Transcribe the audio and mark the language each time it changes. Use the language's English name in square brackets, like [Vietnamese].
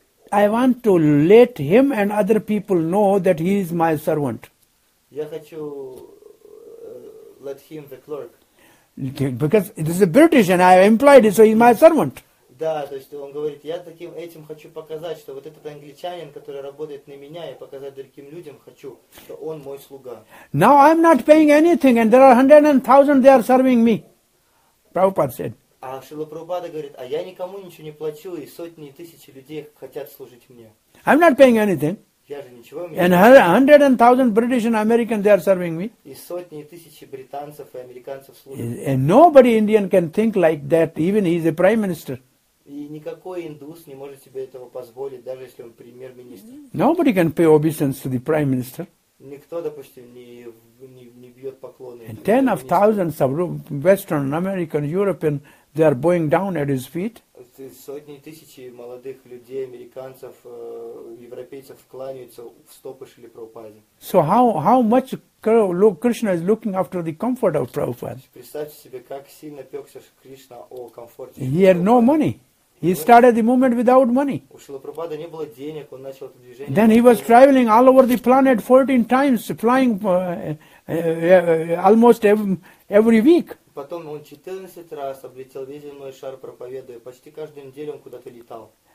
[English] I want to let him and other people know that he is my servant. [Russian] Я хочу [English] let him the clerk. Because this is a British and I employed him, so he's my servant. [Russian] Да, то есть он говорит, я таким этим хочу показать, что вот этот англичанин, который работает на меня, и показать другим людям хочу, что он мой слуга. [English] Now I'm not paying anything, and there are 100,000 they are serving me. Prabhupada said. [Russian] А Шрила Прабхупада говорит, а я никому ничего не плачу, и сотни и тысячи людей хотят служить мне. [English] I'm not paying anything. [Russian] Я же ничего не плачу. [English] And 100,000 British and Americans, they are serving me. [Russian] И сотни и тысячи британцев и американцев служат. [English] And nobody Indian can think like that, even he is a prime minister. [Russian] И никакой индус не может себе этого позволить, даже если он премьер-министр. [English] Nobody can pay obeisance to the prime minister. [Russian] Никто, допустим, не бьет поклоны. [English] And ten of thousands of Western, American, European, they are bowing down at his feet. [Russian] Сотни тысяч молодых людей, американцев, европейцев кланяются в стопы Шрилы Прабхупады. [English] So how much Krishna is looking after the comfort of Prabhupada? [Russian] Представьте себе, как сильно пекся Кришна о комфорте. [English] He had no money. He started the movement without money. [Russian] У Шрилы Прабхупады не было денег, он начал это движение. [English] Then he was traveling all over the planet 14 times, flying almost every week. [Russian] Потом он 14 раз облетел весь земной шар, проповедуя. Почти каждую неделю он куда-то летал.